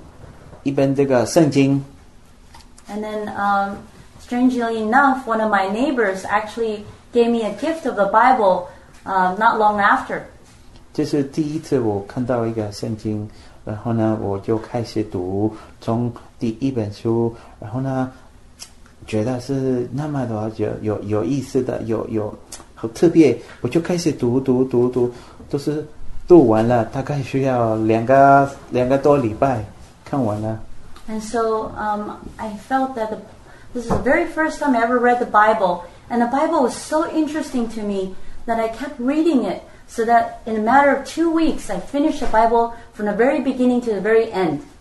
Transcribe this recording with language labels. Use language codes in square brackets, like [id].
[zh] 然后呢，两三个礼拜以后，有一个住我的隔壁就是邻村，他送给我一本这个圣经。And [en] then, strangely enough, one of my neighbors actually gave me a gift of the Bible, not long after. [zh] 这是第一次我看到一个圣经，然后呢，我就开始读从第一本书，然后呢。觉得是那么多有意思的，有特别，我就开始读，都是读完了，大概需要两个多礼拜看完了。And [en] so I felt that this is the very first time I ever read the Bible, and the Bible was so interesting to me that I kept reading it, so that in a matter of 2 weeks, I finished the Bible from the very beginning to the very end.